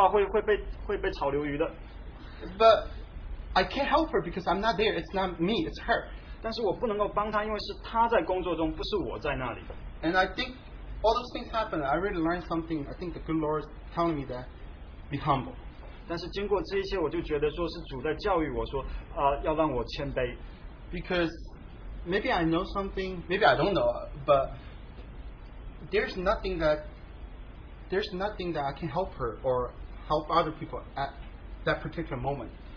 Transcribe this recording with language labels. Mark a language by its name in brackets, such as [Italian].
[Chinese] 所以我就觉得很绝望，说你这样子做的话会被炒鱿鱼的。 [English] But I can't help her because I'm not there. It's not me, it's her. [Chinese] 但是我不能够帮她，因为是她在工作中，不是我在那里。 [English] And I think all those things happen. I really learned something. I think the good Lord is telling me that, be humble. [Chinese] 但是经过这一切，我就觉得说是主在教育我说，要让我谦卑。 [English] Because maybe I know something, maybe I don't know, but there's nothing that I can help her or help other people at that particular moment.